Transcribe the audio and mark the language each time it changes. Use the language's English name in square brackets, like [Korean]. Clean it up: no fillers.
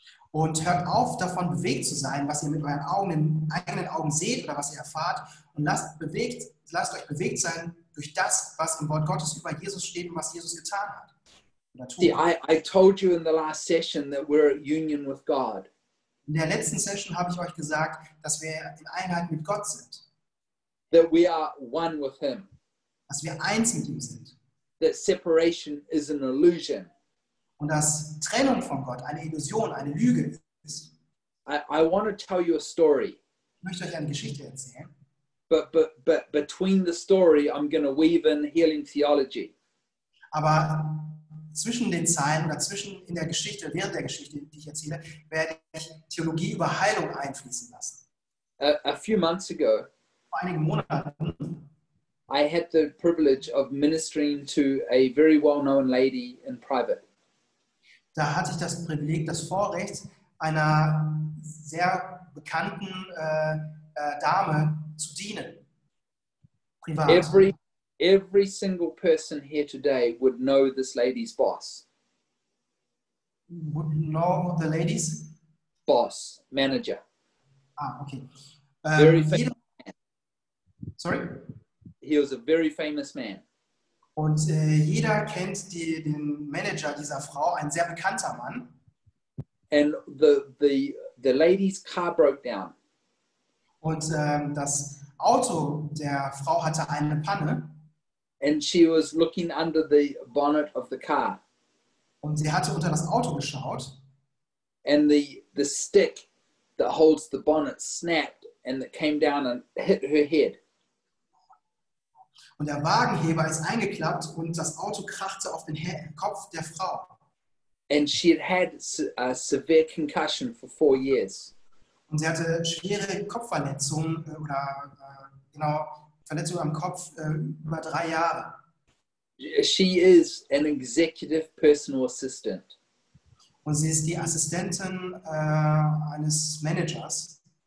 [German] Und hört auf, davon bewegt zu sein, was ihr mit euren eigenen Augen seht oder was ihr erfahrt, und lasst euch bewegt sein durch das, was im Wort Gottes über Jesus steht und was Jesus getan hat. [English] See, I told you in the last session that we're at union with God. [German] In der letzten Session habe ich euch gesagt, dass wir in Einheit mit Gott sind. [English] That we are one with Him. [German] Dass wir eins mit ihm sind. [English] That separation is an illusion. [German] Und dass Trennung von Gott eine Illusion, eine Lüge ist. [English] I want to tell you a story. [German] Ich möchte euch eine Geschichte erzählen. [English] But between the story, I'm going to weave in healing theology. [German] Aber zwischen den Zeilen oder zwischen in der Geschichte, während der Geschichte, die ich erzähle, werde ich Theologie über Heilung einfließen lassen. [English] A few months ago, [German] vor einigen Monaten. [English] I had the privilege of ministering to a very well-known lady in private. [German] Da hatte ich das Privileg, das Vorrecht, einer sehr bekannten Dame zu dienen, privat. [English] Every single person here today would know this lady's boss. Would know the lady's boss, manager. Ah, okay. Very famous. Sorry? He was a very famous man. [German] Und jeder kennt den Manager dieser Frau, ein sehr bekannter Mann. [English] And the lady's car broke down. [German] Und das Auto der Frau hatte eine Panne. [English] And she was looking under the bonnet of the car. [German] Und sie hatte unter das Auto geschaut. [English] And the stick that holds the bonnet snapped and it came down and hit her head. [German] Und der Wagenheber ist eingeklappt und das Auto krachte auf den Kopf der Frau. [English] And she had had a severe concussion for 4 years. [German] Und sie hatte schwere Kopfverletzungen oder genau, Verletzung am Kopf über 3 Jahre. [English] She is an executive personal assistant. [German] Und sie ist die Assistentin eines Managers.